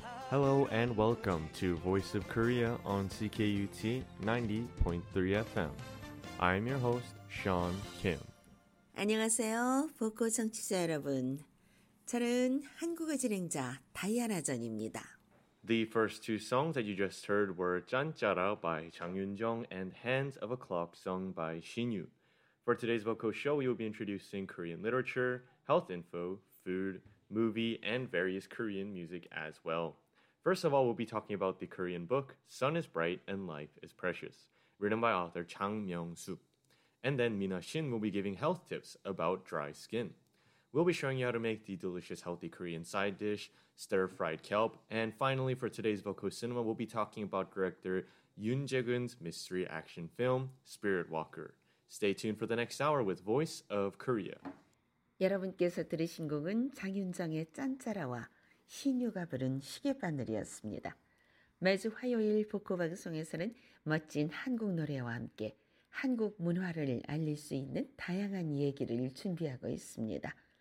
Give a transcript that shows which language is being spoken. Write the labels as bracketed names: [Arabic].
[English] Hello and welcome to Voice of Korea on CKUT 90.3 FM. I'm your host, Sean Kim. [Korean] 안녕하세요, 보코 청취자 여러분. 저는 한국어 진행자 다이아나 전입니다. [English] The first two songs that you just heard were 짠짜라 by 장윤정 and Hands of a Clock sung by Shinyu. For today's Voco show, we will be introducing Korean literature, health info, food, movie, and various Korean music as well. First of all, we'll be talking about the Korean book, Sun is Bright and Life is Precious, written by author Chang Myung-soo. And then Mina Shin will be giving health tips about dry skin. We'll be showing you how to make the delicious healthy Korean side dish, stir-fried kelp. And finally, for today's Voco Cinema, we'll be talking about director Yoon Jae-geun's mystery action film, Spirit Walker. Stay tuned for the next hour with Voice of Korea. [Korean] 여러분께서 들으신 곡은 장윤정의 짠짜라와 신유가 부른 시계바늘이었습니다. 매주 화요일 복고 방송에서는 멋진 한국 노래와 함께 한국 문화를 알릴 수 있는 다양한 얘기를 준비하고 있습니다.